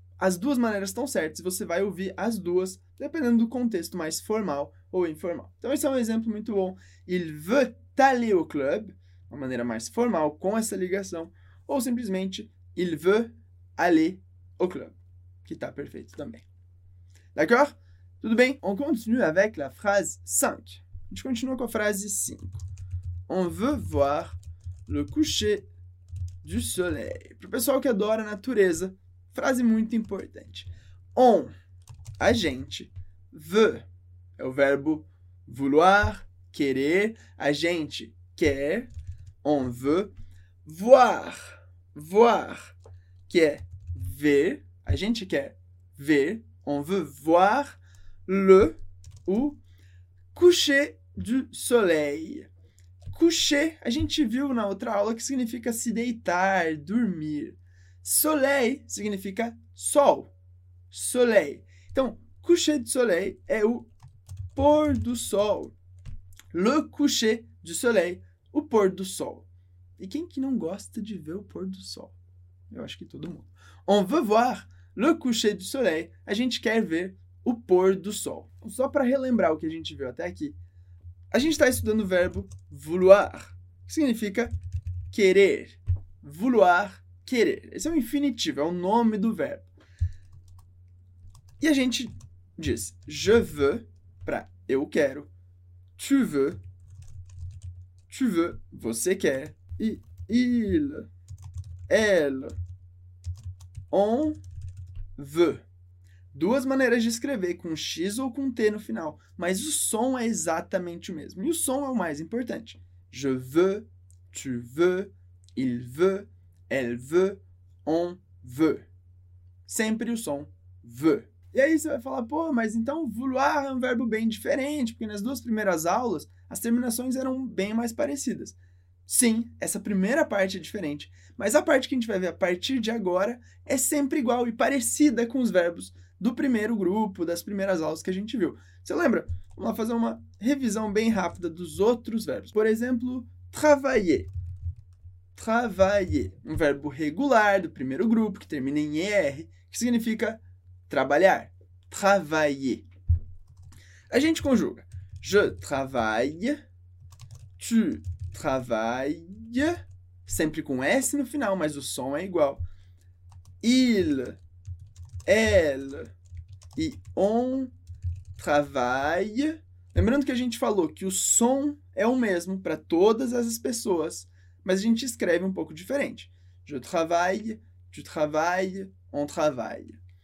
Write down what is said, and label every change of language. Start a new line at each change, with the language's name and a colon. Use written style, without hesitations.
Portuguese: As duas maneiras estão certas e você vai ouvir as duas, dependendo do contexto mais formal ou informal. Então, esse é um exemplo muito bom.
French: Il veut aller au club,
Portuguese: uma maneira mais formal com essa ligação, ou simplesmente
French: il veut aller au club,
Portuguese: que tá perfeito também.
French: D'accord?
Portuguese: Tudo bem?
French: On continue avec la phrase 5.
Portuguese: A gente continua com a frase 5.
French: On veut voir le coucher du soleil.
Portuguese: Pro pessoal que adora a natureza, frase muito importante. On, a gente, veut, é o verbo vouloir, querer, a gente quer,
French: on veut voir,
Portuguese: voir, que é ver. A gente quer ver,
French: on veut voir le ou coucher du soleil.
Portuguese: Coucher, a gente viu na outra aula que significa se deitar, dormir. Soleil significa sol. Soleil. Então, coucher du soleil é o pôr do sol.
French: Le coucher du soleil,
Portuguese: o pôr do sol. E quem que não gosta de ver o pôr do sol? Eu acho que todo mundo.
French: On veut voir le coucher du soleil.
Portuguese: A gente quer ver o pôr do sol. Só para relembrar o que a gente viu até aqui. A gente está estudando o verbo vouloir, que significa querer. Vouloir, querer. Esse é o infinitivo, é o nome do verbo. E a gente diz je veux para eu quero. Tu veux, você quer. E il, elle, on veut. Duas maneiras de escrever, com X ou com T no final, mas o som é exatamente o mesmo. E o som é o mais importante.
French: Je veux, tu veux, il veut, elle veut, on veut.
Portuguese: Sempre o som veut. E aí você vai falar, pô, mas então vouloir é um verbo bem diferente, porque nas duas primeiras aulas as terminações eram bem mais parecidas. Sim, essa primeira parte é diferente, mas a parte que a gente vai ver a partir de agora é sempre igual e parecida com os verbos do primeiro grupo, das primeiras aulas que a gente viu. Você lembra? Vamos lá fazer uma revisão bem rápida dos outros verbos. Por exemplo, travailler. Travailler. Um verbo regular do primeiro grupo, que termina em ER, que significa trabalhar. Travailler. A gente conjuga.
French: Je travaille. Tu travailles.
Portuguese: Sempre com S no final, mas o som é igual. Il. Elle. E
French: on travaille.
Portuguese: Lembrando que a gente falou que o som é o mesmo para todas as pessoas, mas a gente escreve um pouco diferente.
French: Je travaille, tu travailles, on travaille.